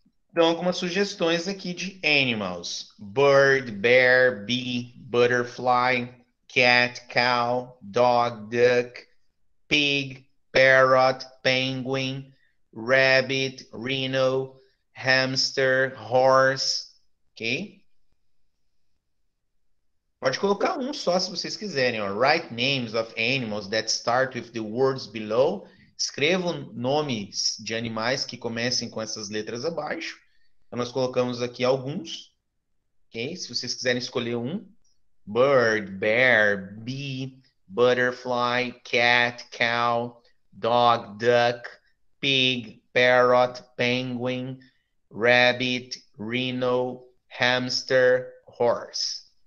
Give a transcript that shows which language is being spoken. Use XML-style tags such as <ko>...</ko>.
<pt>Então, algumas sugestões aqui de</pt> <en>animals. Bird, bear, bee, butterfly, cat, cow, dog, duck, pig, Parrot, penguin, rabbit, rhino, hamster, horse, ok?</en> <pt>Pode colocar um só se vocês quiserem, ó.</pt> <en>Write names of animals that start with the words below.</en> <pt>Escrevam nomes de animais que comecem com essas letras abaixo. Então, nós colocamos aqui alguns, ok? Se vocês quiserem escolher um.</pt> <en>Bird, bear, bee, butterfly, cat, cow, dog, duck, pig, parrot, penguin, rabbit, rhino, hamster, horse.</en>